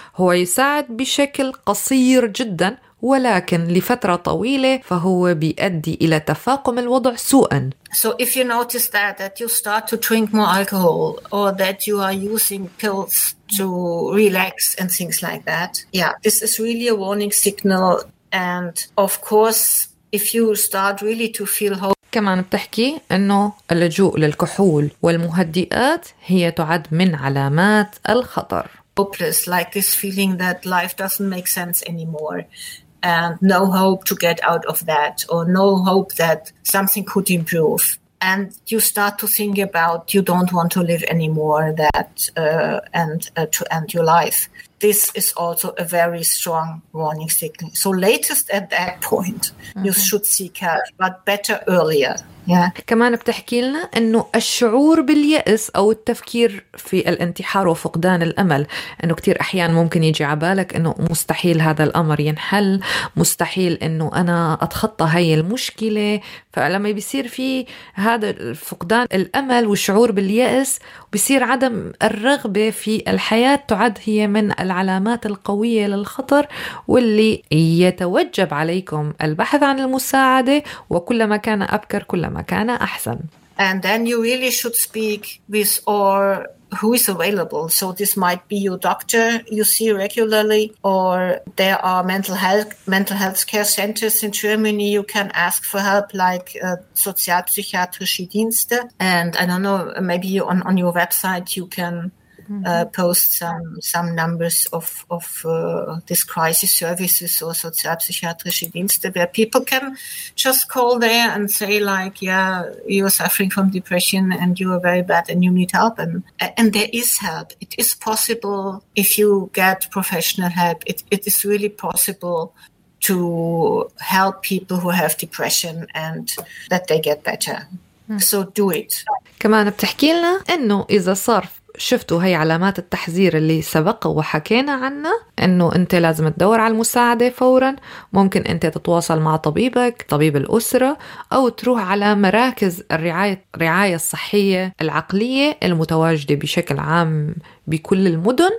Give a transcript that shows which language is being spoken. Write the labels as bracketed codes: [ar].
[ar] هو يساعد بشكل قصير جداً ولكن لفترة طويلة فهو بيؤدي إلى تفاقم الوضع سوءاً. [en] So if you notice that you start to drink more alcohol or that you are using pills to relax and things like that, yeah, this is really a warning signal. And of course, if you start really to feel [ar] كمان بتحكي إنه اللجوء للكحول والمهدئات هي تعد من علامات الخطر. [en] Hopeless, like this feeling that life doesn't make sense anymore. And no hope to get out of that, or no hope that something could improve. And you start to think about you don't want to live anymore, that to end your life. This is also a very strong warning signal. So latest at that point, you should seek help, but better earlier. [ar] كمان بتحكي لنا أنه الشعور باليأس أو التفكير في الانتحار وفقدان الأمل أنه كتير أحيان ممكن يجي عبالك أنه مستحيل هذا الأمر ينحل, مستحيل أنه أنا أتخطى هاي المشكلة. فلما بيصير في هذا فقدان الأمل والشعور باليأس بيصير عدم الرغبة في الحياة تعد هي من العلامات القوية للخطر, واللي يتوجب عليكم البحث عن المساعدة وكلما كان أبكر كل ما كان أحسن. [en] And then you really should speak with or who is available. So this might be your doctor you see regularly, or there are mental health care centers in Germany you can ask for help, like Sozialpsychiatrische Dienste. And I don't know, maybe on your website you can post some numbers of this crisis services or Sozialpsychiatrische Dienste, where people can just call there and say like, yeah, you're suffering from depression and you are very bad and you need help. And there is help. It is possible if you get professional help. It is really possible to help people who have depression and that they get better. So do it. [ar] كمان بتحكي لنا أنه إذا صار شفتوا هاي علامات التحذير اللي سبق وحكينا عنها أنه أنت لازم تدور على المساعدة فورا, ممكن أنت تتواصل مع طبيبك, طبيب الأسرة, أو تروح على مراكز الرعاية الصحية العقلية المتواجدة بشكل عام بكل المدن.